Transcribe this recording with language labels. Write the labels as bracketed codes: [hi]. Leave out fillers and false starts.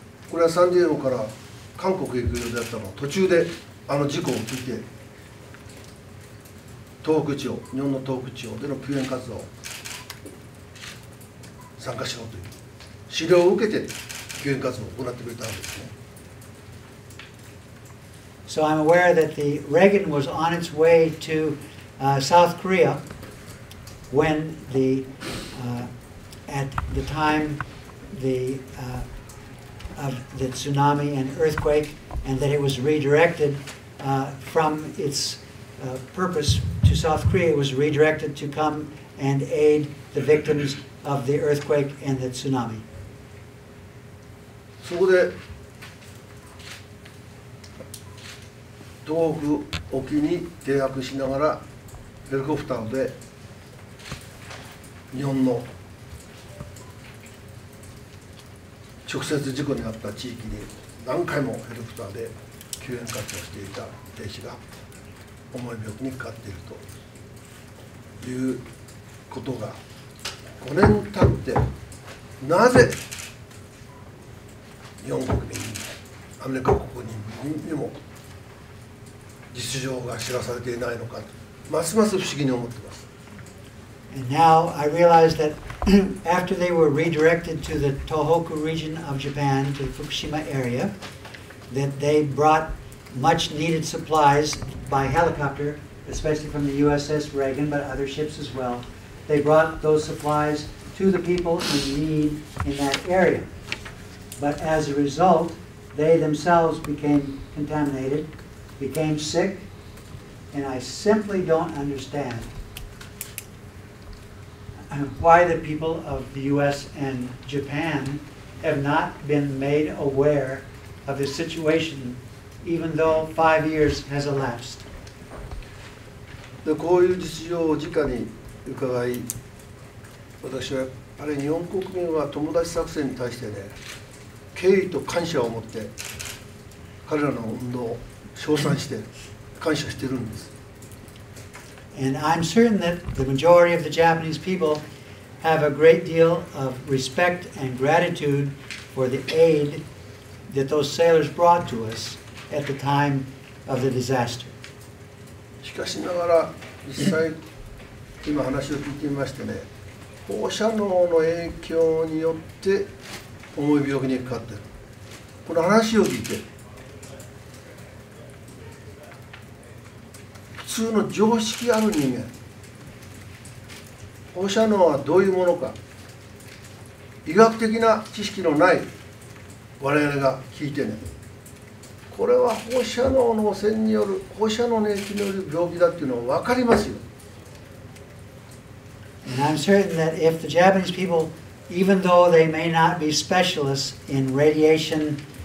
[ja] これはサンディエゴから韓国へ行く予定だったの途中であの事故を聞いて東北地方、日本の東北地方での救援活動を参加しようという指令を受けて救援活動を行ってくれたんですね。 [en] So I'm aware that the Reagan was on its way to South Korea, when the at the time the of the tsunami and earthquake, and that it was redirected from its purpose to South Korea. It was redirected to come and aid the victims of the earthquake and the tsunami. [ja] そこで東北沖に停泊しながらヘリコプターで日本の直接事故にあった地域に何回もヘリコプターで救援活動をしていた兵士が重い病気にかかっているということが5年経ってなぜ日本国民にアメリカ国民にも実情が知らされていないのかますます不思議に思っています。 [en] And now I realize that after they were redirected to the Tohoku region of Japan, to the Fukushima area, that they brought much needed supplies by helicopter, especially from the USS Reagan, but other ships as well. They brought those supplies to the people in need in that area. But as a result, they themselves became contaminated, became sick, and I simply don't understand why the people of the U.S. and Japan have not been made aware of the situation, even though 5 years has elapsed. [ja] で、こういう実情を直に伺い、私はやっぱり日本国民は友達作戦に対してね、敬意と感謝を持って彼らの運動を称賛して感謝しているんです。 [en] And I'm certain that the majority of the Japanese people have a great deal of respect and gratitude for the aid that those sailors brought to us at the time of the disaster. [ja] しかしながら、実際、今話を聞いてみましてね、放射能の影響によって重い病気にかかっている。この話を聞いて、普通の常識ある人間、放射能はどういうものか、医学的な知識のない我々が聞いてね、これは放射能の汚染による、放射能の影響による病気だっていうのは分かりますよ。 [en] And I'm certain that if the Japanese people, even though they may not be specialists in radiation,